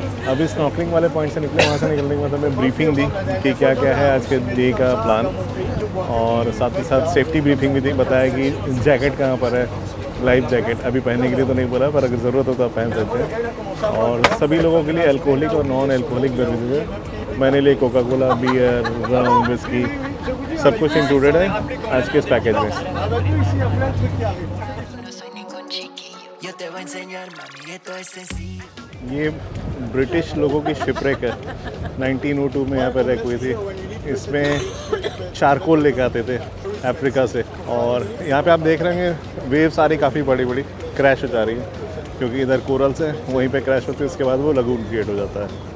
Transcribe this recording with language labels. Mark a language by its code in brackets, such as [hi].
[hi] अभी स्नॉकलिंग वाले पॉइंट से निकले, वहाँ से निकलने के बाद हमें ब्रीफिंग दी कि क्या क्या है आज के डे का प्लान, और साथ ही साथ सेफ्टी ब्रीफिंग भी दी, बताया कि जैकेट कहाँ पर है, लाइफ जैकेट अभी पहनने के लिए तो नहीं बोला पर अगर ज़रूरत हो तो पहन सकते हैं, और सभी लोगों के लिए अल्कोहलिक और नॉन अल्कोहलिक बेवरेजेस, मैंने लिए Coca Cola beer rum whisky सब कुछ इंक्लूडेड है आज के इस पैकेज में। [es] yo te voy a enseñar, mami, esto es sencillo. [hi] ये ब्रिटिश लोगों की शिपरेक है 1902 में यहाँ पर रेक हुई थी. इसमें चारकोल लेकर आते थे अफ्रीका से. और यहाँ पे आप देख रहे हैं वेव सारी काफ़ी बड़ी बड़ी क्रैश हो जा रही है, क्योंकि इधर कोरल्स हैं वहीं पे क्रैश होते हैं, उसके बाद वो लगून क्रिएट हो जाता है.